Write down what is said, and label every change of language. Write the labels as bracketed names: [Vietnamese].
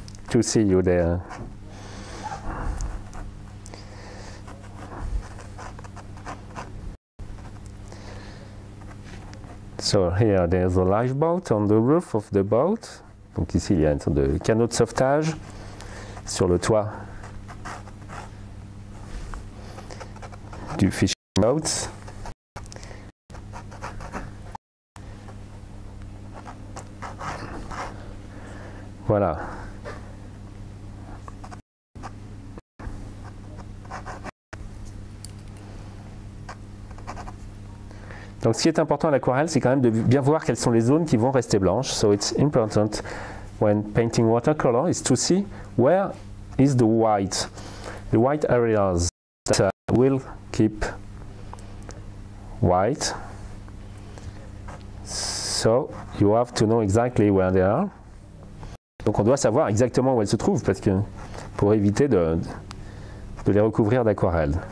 [English] To see you there. So here there's a lifeboat on the roof of the boat. [French] Donc ici il y a une sorte de canot de sauvetage sur le toit du [English] fishing boat. [French] Voilà. Donc ce qui est important à l'aquarelle, c'est quand même de bien voir quelles sont les zones qui vont rester blanches. [English] So it's important when painting watercolor is to see where is the white areas that will keep white. So you have to know exactly where they are. [French] Donc on doit savoir exactement où elles se trouvent parce que pour éviter de les recouvrir d'aquarelle.